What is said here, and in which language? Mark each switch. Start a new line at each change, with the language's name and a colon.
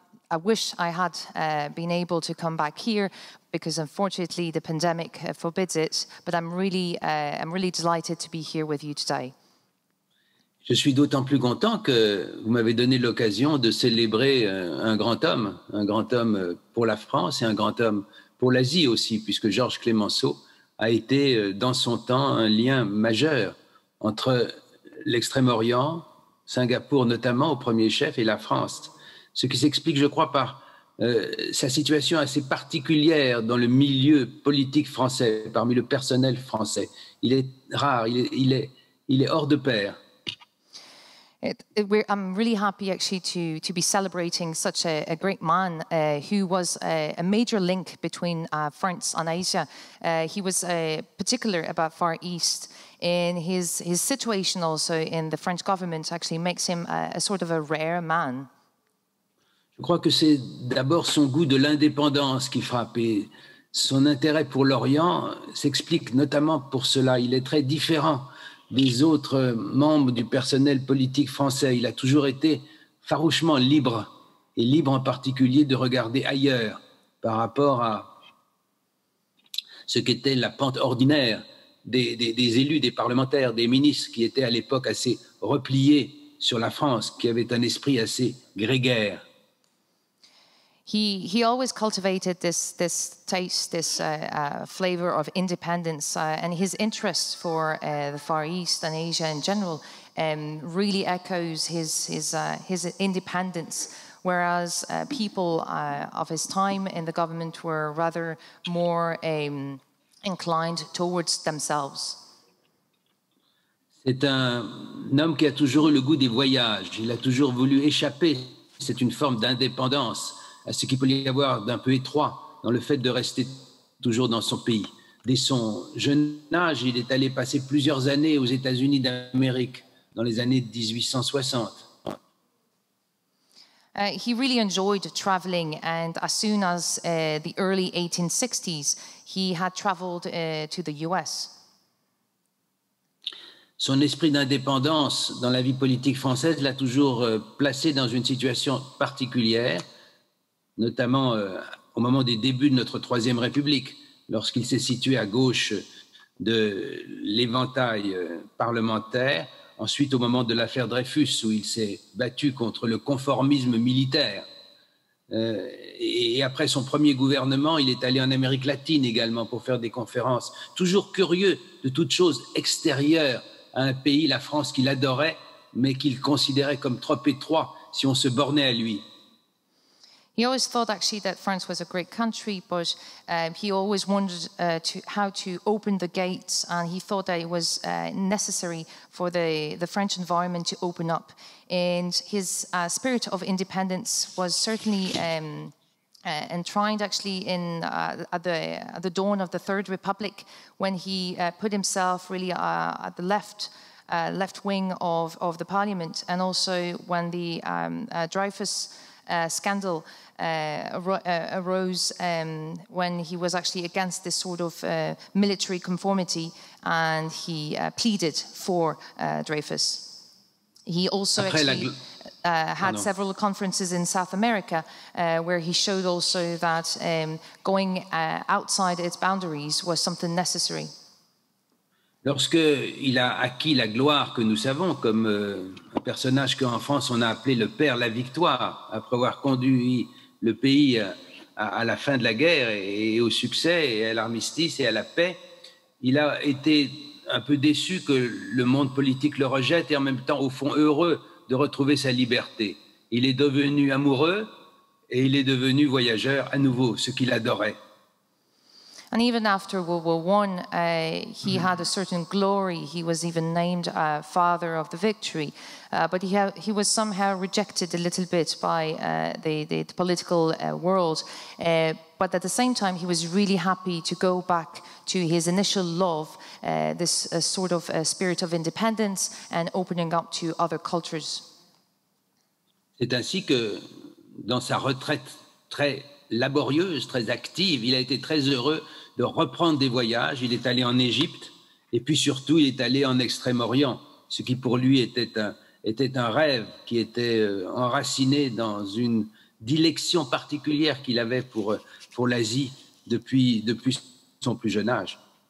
English: I wish I had been able to come back here because unfortunately the pandemic forbids it, but I'm really delighted to be here with you today.
French: Je suis d'autant plus content que vous m'avez donné l'occasion de célébrer un grand homme pour la France et un grand homme pour l'Asie aussi, puisque Georges Clemenceau a été dans son temps un lien majeur entre l'Extrême-Orient, Singapour notamment au premier chef, et la France. Ce qui s'explique, je crois, par sa situation assez particulière dans le milieu politique français, parmi le personnel français. Il est rare, il est hors de pair.
English: I'm really happy actually to be celebrating such a great man who was a major link between France and Asia. He was particular about Far East. In his situation also in the French government actually makes him a sort of a rare man.
French: Je crois que c'est d'abord son goût de l'indépendance qui frappe et son intérêt pour l'Orient s'explique notamment pour cela. Il est très différent des autres membres du personnel politique français. Il a toujours été farouchement libre, et libre en particulier de regarder ailleurs par rapport à ce qu'était la pente ordinaire des élus, des parlementaires, des ministres qui étaient à l'époque assez repliés sur la France, qui avaient un esprit assez grégaire.
English: He always cultivated this taste, this flavor of independence, and his interest for the Far East and Asia in general really echoes his independence, whereas people of his time in the government were rather more inclined towards themselves.
French: C'est un homme qui a toujours eu le goût des voyages. Il a toujours voulu échapper. C'est une forme d'indépendance. À ce qu'il pouvait y avoir d'un peu étroit dans le fait de rester toujours dans son pays. Dès son jeune âge, il est allé passer plusieurs années aux États-Unis d'Amérique dans les années 1860.
English: He really enjoyed traveling, and as soon as the early 1860s, he had traveled to the US.
French: Son esprit d'indépendance dans la vie politique française l'a toujours placé dans une situation particulière, notamment au moment des débuts de notre Troisième République, lorsqu'il s'est situé à gauche de l'éventail parlementaire, ensuite au moment de l'affaire Dreyfus, où il s'est battu contre le conformisme militaire. Et après son premier gouvernement, il est allé en Amérique latine également pour faire des conférences, toujours curieux de toute chose extérieure à un pays, la France, qu'il adorait, mais qu'il considérait comme trop étroit si on se bornait à lui.
English: He always thought actually that France was a great country, but he always wondered how to open the gates, and he thought that it was necessary for the French environment to open up. And his spirit of independence was certainly enshrined actually in at the dawn of the Third Republic, when he put himself really at the left wing of the parliament, and also when the Dreyfus scandal arose when he was actually against this sort of military conformity, and he pleaded for Dreyfus. He also had several conferences in South America where he showed also that going outside its boundaries was something necessary.
French: Lorsque il a acquis la gloire que nous savons comme un personnage qu'en France on a appelé le père la victoire, après avoir conduit le pays à la fin de la guerre et au succès et à l'armistice et à la paix, il a été un peu déçu que le monde politique le rejette et en même temps au fond heureux de retrouver sa liberté. Il est devenu amoureux et il est devenu voyageur à nouveau, ce qu'il adorait.
English: And even after World War One, he had a certain glory. He was even named Father of the Victory, but he was somehow rejected a little bit by the political world. But at the same time, he was really happy to go back to his initial love, this sort of spirit of independence and opening up to other cultures.
French: C'est ainsi que, dans sa retraite très laborieuse, très active, il a été très heureux de reprendre des voyages. Il est allé en Égypte et puis surtout il est allé en Extrême-Orient, ce qui pour lui était un rêve qui était enraciné dans une dilection particulière qu'il avait pour l'Asie depuis son plus jeune âge.